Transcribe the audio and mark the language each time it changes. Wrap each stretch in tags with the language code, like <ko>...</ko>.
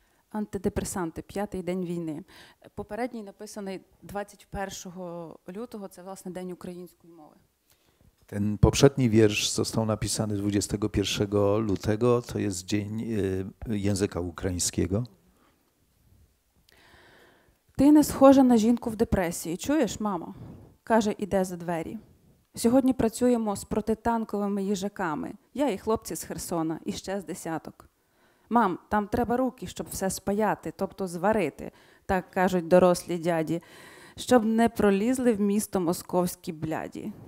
<uk>Антидепресанти, п'ятий день війни. Попередній написаний 21 лютого, це власне день української мови.</uk> <pl>Ten poprzedni wiersz został napisany 21 lutego, to jest dzień języka ukraińskiego.</pl> <uk>Ти не схожа на жінку в депресії, чуєш, мамо? Каже, іде за двері. Сьогодні працюємо з протитанковими їжаками. Я і хлопці з Херсона, і ще з десяток. Мам, там треба руки, щоб все спаяти, тобто зварити, так кажуть дорослі дяді, щоб не пролізли в місто московські бляді.</uk>